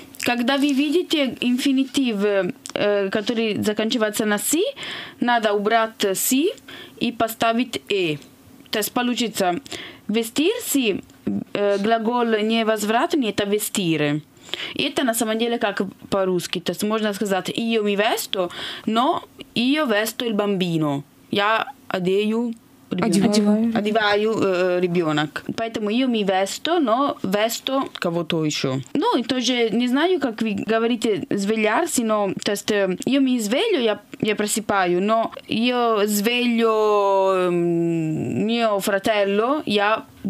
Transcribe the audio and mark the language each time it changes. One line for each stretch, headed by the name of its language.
Russian: Когда вы видите инфинитив, который заканчивается на си, надо убрать си и поставить э. То есть получится вестирси. Глагол невозвратный – это «вестире». Это на самом деле как по-русски. То есть можно сказать
Italian: «io mi vesto»,
Russian: но
Italian: «io vesto il bambino».
Russian: «Я одею ребенок». «Одеваю ребенок». Поэтому
Italian: «io mi vesto»,
Russian: но
Italian: «vesto»
Russian: кого-то еще. Ну, и тоже не знаю, как вы говорите «svegliarsi», но то есть
Italian: «io mi sveglio»,
Russian: я просыпаю, но
Italian: «io sveglio mio fratello»,
Russian: я